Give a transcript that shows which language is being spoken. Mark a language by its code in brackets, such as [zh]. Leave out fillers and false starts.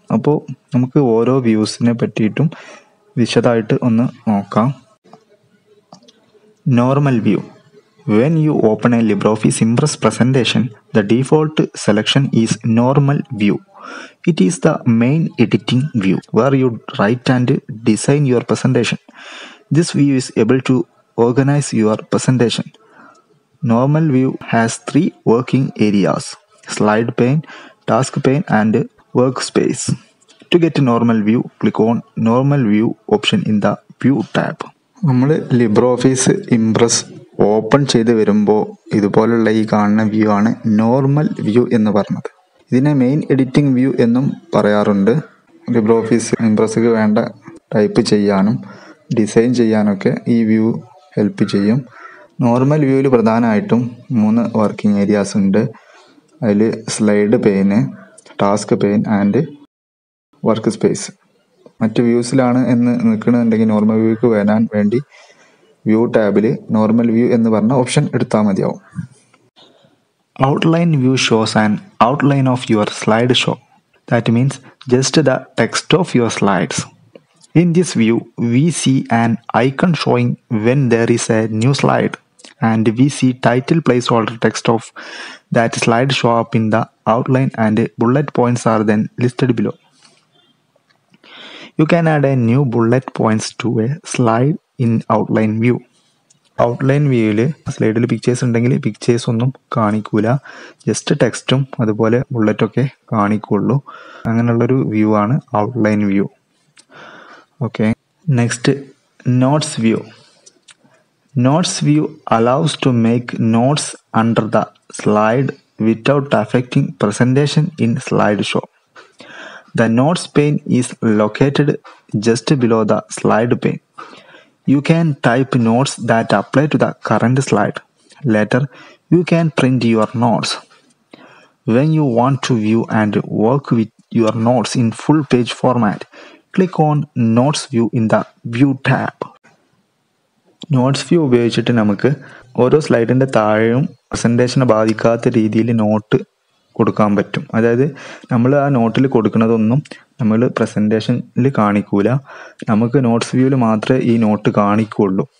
[ml] അപ്പോൾ നമുക്ക് ഓരോ വ്യൂസിനെ പറ്റിയിട്ടും വിശദമായിട്ട് ഒന്ന് നോക്കാം. Normal view. [en] When you open a LibreOffice Impress presentation, the default selection is normal view. It is the main editing view where you write and design your presentation. This view is able to organize your presentation. Normal view has three working areas: slide pane, task pane, and workspace. To get a normal view, click on normal view option in the view tab. [ml] നമ്മള് LibreOffice Impress open ചെയ്ത് വരുമ്പോൾ ഇതുപോലുള്ള ഈ കാണുന്ന view ആണ് normal view എന്ന് പറഞ്ഞത്. ഇതിനെ മെയിൻ എഡിറ്റിംഗ് വ്യൂ എന്നും പറയാറുണ്ട്. LibreOffice Impress വേണ്ട ടൈപ്പ് ചെയ്യാനും ഡിസൈൻ ചെയ്യാനൊക്കെ ഈ വ്യൂ ഹെൽപ്പ് ചെയ്യും. നോർമൽ വ്യൂവിൽ പ്രധാനമായിട്ടും മൂന്ന് വർക്കിംഗ് ഏരിയാസ് ഉണ്ട്. അതിൽ slide pain, task pain and work space. മറ്റ് വ്യൂസിലാണ് എന്ന് നിൽക്കണമെന്നുണ്ടെങ്കിൽ നോർമൽ വ്യൂക്ക് വരാൻ വേണ്ടി വ്യൂ ടാബിൽ നോർമൽ വ്യൂ എന്ന് പറഞ്ഞ ഓപ്ഷൻ എടുത്താൽ മതിയാവും. [en] Outline view shows an outline of your slideshow. That means just the text of your slides. In this view, we see an icon showing when there is a new slide, and we see title placeholder text of that slide show up in the outline, and bullet points are then listed below. You can add a new bullet points to a slide in outline view. [ml] Outline വ്യൂയിൽ സ്ലൈഡിൽ pictures ഉണ്ടെങ്കിൽ pictures ഒന്നും കാണിക്കൂല, just ടെക്സ്റ്റും അതുപോലെ ബുള്ളറ്റൊക്കെ കാണിക്കുള്ളൂ. അങ്ങനെയുള്ളൊരു view ആണ് outline view. Okay, next notes view. [en] Notes view allows to make notes under the slide without affecting presentation in slide show. The notes pane is located just below the slide pane. You can type notes that apply to the current slide. Later, you can print your notes. When you want to view and work with your notes in full page format, click on Notes View in the View tab. [ml] Notes View ഉപയോഗിച്ചിട്ട് നമുക്ക് ഓരോ സ്ലൈഡിൻ്റെ താഴെയും പ്രസൻറ്റേഷനെ ബാധിക്കാത്ത രീതിയിൽ not കൊടുക്കാൻ പറ്റും. അതായത് നമ്മൾ ആ നോട്ടിൽ കൊടുക്കുന്നതൊന്നും നമ്മൾ പ്രസൻറ്റേഷനിൽ കാണിക്കൂല, നമുക്ക് നോട്ട്സ് വ്യൂവിൽ മാത്രമേ ഈ നോട്ട് കാണിക്കുകയുള്ളൂ.